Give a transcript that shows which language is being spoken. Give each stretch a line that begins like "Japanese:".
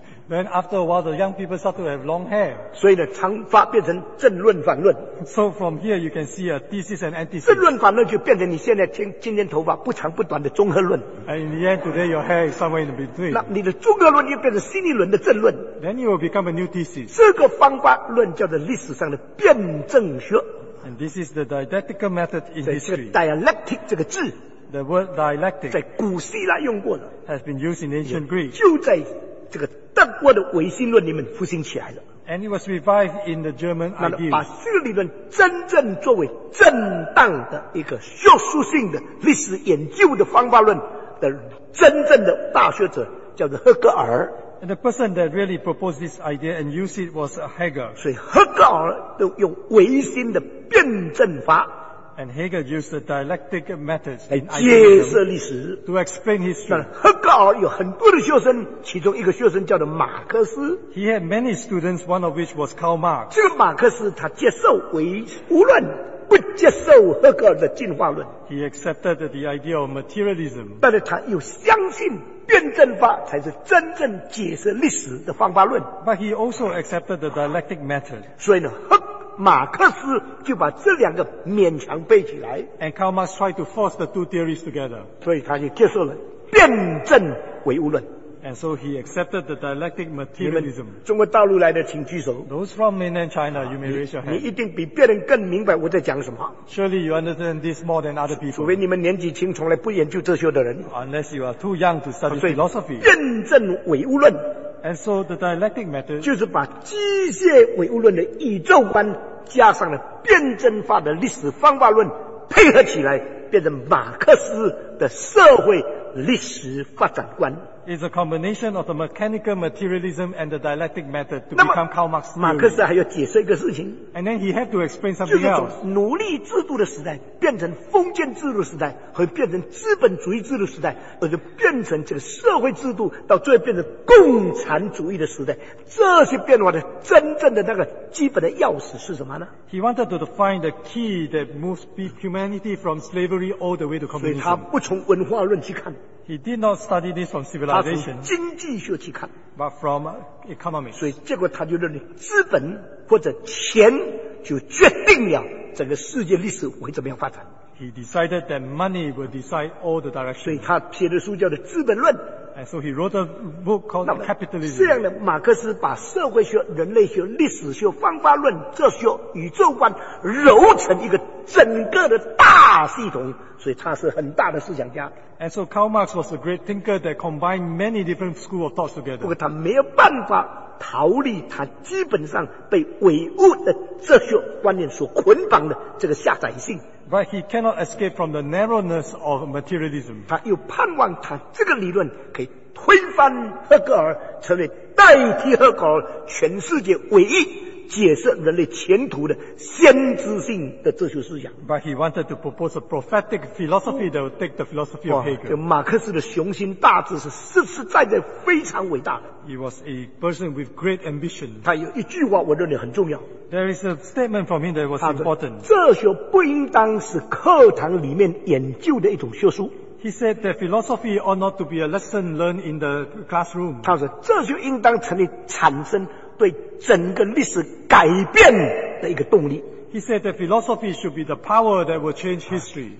English: Then after a while, the young people start to have long hair.
Chinese: 所以呢，长发变成正论反论。
English: So from here, you can see a thesis and antithesis.
Chinese: 正论反论就变成你现在今天头发不长不短的综合论。
English: And in the end, today your hair is somewhere in between.
Chinese: 那你的综合论又变成新一轮的正论。
English: Then you will become a new thesis.
Chinese: 这个方法论叫做历史上的辩证学。
English: And this is the dialectical method in history.
Chinese: 这个 dialectic 这个字。
English: The word dialectic.
Chinese: 在古希腊用过了。
English: Has been used in ancient Greek.
Chinese: 就在这个德国的唯心论里面复兴起来了。
English: And it was revived in the German ideas.
Chinese: 把这个理论真正作为正当的一个学术性的历史研究的方法论的真正的大学者叫做赫格尔。
English: And the person that really proposed this idea and used it was Hegel.
Chinese: 所以赫格尔都用唯心的辩证法。
English: And Hegel used the dialectic methods in
Chinese: 来解释历史
English: to explain history.
Chinese: 但赫格尔有很多的学生，其中一个学生叫做马克思。
English: He had many students, one of which was Karl Marx.
Chinese: 这个马克思他接受唯物论，不接受赫格尔的进化论。
English: He accepted the idea of materialism.
Chinese: 但是他又相信辩证法才是真正解释历史的方法论。
English: But he also accepted the dialectic method.
Chinese: 所以呢，马克思就把这两个勉强背起来。
English: And Karl Marx tried to force the two theories together.
Chinese: 所以他就接受了辩证唯物论。
English: And so he accepted the dialectic materialism.
Chinese: 中国大陆来的请举手。
English: Those from mainland China, you may raise your hand.
Chinese: 你一定比别人更明白我在讲什么。
English: Surely you understand this more than other people.
Chinese: 除非你们年纪轻从来不研究哲学的人。
English: Unless you are too young to study philosophy.
Chinese: 辩证唯物论。
English: And so the dialectic method
Chinese: 就是把机械唯物论的宇宙观加上了辩证法的历史方法论配合起来，变成马克思的社会历史发展观。
English: It's a combination of the mechanical materialism and the dialectic method to become Karl Marx's theory.
Chinese: 马克思还要解释一个事情。
English: And then he had to explain something else.
Chinese: 就是从奴隶制度的时代变成封建制度时代，和变成资本主义制度时代，而就变成这个社会制度，到最后变成共产主义的时代。这些变化的真正的那个基本的钥匙是什么呢？
English: He wanted to define the key that moves humanity from slavery all the way to communism.
Chinese: 所以他不从文化论去看。
English: He did not study this from civilization.
Chinese: 他从经济学去看。
English: But from economics.
Chinese: 所以结果他就认为资本或者钱就决定了整个世界历史会怎么样发展。
English: He decided that money will decide all the directions.
Chinese: 所以他写的书叫做《资本论》。
English: And so he wrote a book called Capitalism.
Chinese: 这样的马克思把社会学、人类学、历史学、方法论、哲学、宇宙观揉成一个整个的大系统，所以他是很大的思想家。
English: And so Karl Marx was a great thinker that combined many different schools of thought together.
Chinese: 不过他没有办法逃离他基本上被唯物的哲学观念所捆绑的这个下载性。
English: But he cannot escape from the narrowness of materialism.
Chinese: 他又盼望他这个理论可以推翻赫格尔，成为代替赫格尔全世界唯一解释人类前途的先知性的哲学思想。
English: But he wanted to propose a prophetic philosophy that would take the philosophy of Hegel.
Chinese: 这马克思的雄心大志是实实在在非常伟大的。
English: He was a person with great ambition.
Chinese: 他有一句话我认为很重要。
English: There is a statement from him that was important.
Chinese: 哲学不应当是课堂里面研究的一种学术。
English: He said that philosophy ought not to be a lesson learned in the classroom.
Chinese: 他说哲学应当成立产生对整个历史改变的一个动力。
English: He said that philosophy should be the power that will change history.